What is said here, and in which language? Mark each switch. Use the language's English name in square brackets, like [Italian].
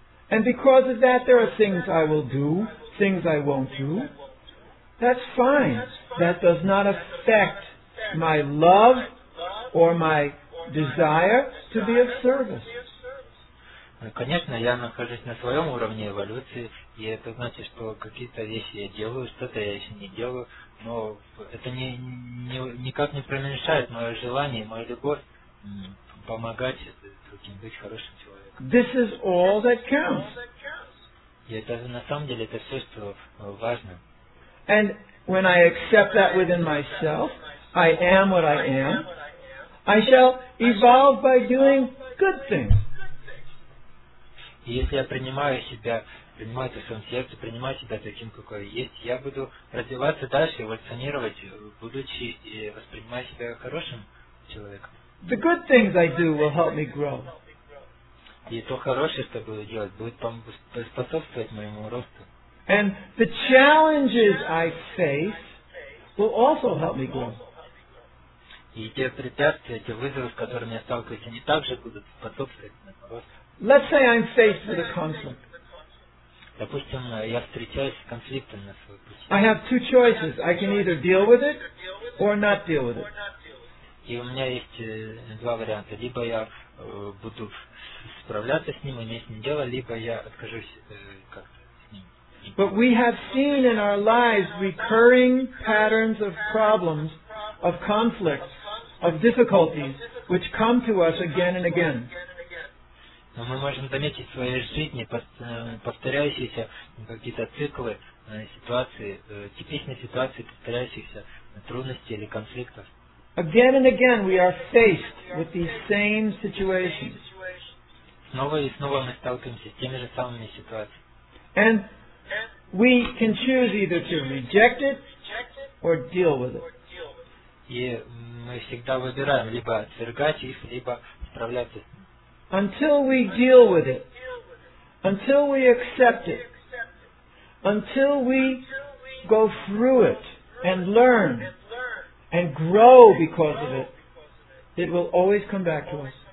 [English] And because of that, there are things I will do, things I won't do. That's fine. That does not affect my love or my desire to be of service. [Russian] Конечно, я нахожусь на своем уровне эволюции, и это значит, что какие-то вещи я делаю, что-то я еще не делаю, но это никак не преуменьшает мое желание, мою любовь помогать другим, быть хорошим человеком. [English] This is all that counts. [Russian] И это на самом деле это все, что важно. [English] And when I accept that within myself, I am what I am, I shall evolve by doing good things. [Russian] И если я принимаю себя, принимаю это в своем сердце, принимаю себя таким, какой я есть, я буду развиваться дальше, эволюционировать, будучи и воспринимая себя хорошим человеком. [English] The good things I do will help me grow. [Russian] И то хорошее, что буду делать, будет способствовать моему росту. [English] And the challenges I face will also help me grow. [Russian] И те препятствия, те вызовы, с которыми я сталкиваюсь, они также будут способствовать моему росту. [English] Let's say I'm faced with a conflict. [Russian] Допустим, я встречаюсь с конфликтом на своем пути. [English] I have two choices. I can either deal with it or not deal with it. [Russian] И у меня есть два варианта. Либо я буду справляться с ним, иметь с ним дело, либо я откажусь как-то с ним. [English] But we have seen in our lives recurring patterns of problems, of conflicts, of difficulties, which come to us again and again. [Russian] Но мы можем заметить в своей жизни повторяющиеся какие-то циклы, ситуации, типичные ситуации повторяющихся трудностей или конфликтов. [English] Again and again we are faced with these same situations. [Russian] Снова и снова мы сталкиваемся с теми же самыми ситуациями. [English] And we can choose either to reject it or deal with it. [Russian] И мы всегда выбираем либо отвергать их, либо справляться с ними. [English] Until we deal with it, until we accept it, until we go through it and learn and grow because of it, it will always come back to us.